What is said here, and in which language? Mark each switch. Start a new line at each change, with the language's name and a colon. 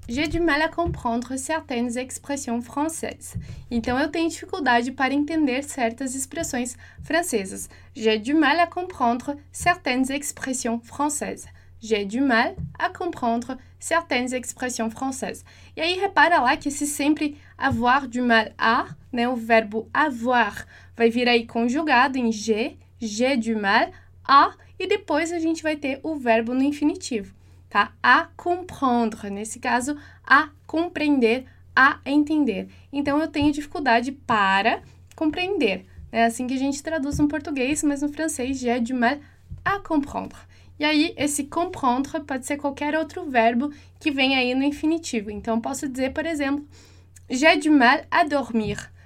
French: J'ai du mal à comprendre certaines expressions françaises.
Portuguese: Então, eu tenho dificuldade para entender certas expressões francesas.
French: J'ai du mal à comprendre certaines expressions françaises. J'ai du mal à comprendre certaines expressions françaises.
Portuguese: E aí, repara lá que esse sempre avoir du mal à, né, o verbo avoir vai vir aí conjugado em
French: j'ai du mal à,
Portuguese: e depois a gente vai ter o verbo no infinitivo, tá? À comprendre, nesse caso, à compreender, à entender. Então, eu tenho dificuldade para compreender. É assim que a gente traduz no português, mas no francês,
French: j'ai du mal à comprendre.
Portuguese: E aí, esse comprendre pode ser qualquer outro verbo que vem aí no infinitivo. Então, posso dizer, por exemplo,
French: j'ai du mal à dormir.